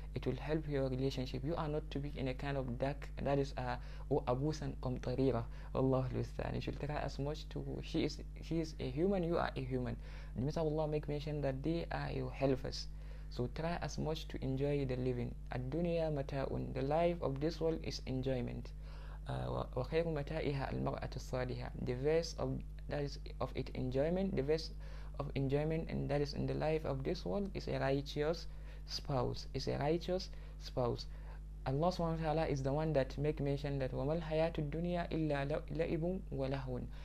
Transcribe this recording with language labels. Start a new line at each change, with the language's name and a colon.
English: It will help your relationship. You are not to be in a kind of dark that is abusan um tarira. Allah listen. You should try as much to she is a human, you are a human. The Messenger of Allah make mention that they are your helpers. So try as much to enjoy the living.
Arabic: Ad dunya mata'un,
English: the life of this world is enjoyment.
Arabic: وخير متاعها المرأة الصالحة.
English: The best of that is of it enjoyment. The best of enjoyment and that is in the life of this world is a righteous spouse. Is a righteous spouse. Allah Subhanahu wa Taala is the one that make mention that
Arabic: وما الحياة الدنيا إلا لعب ولهو.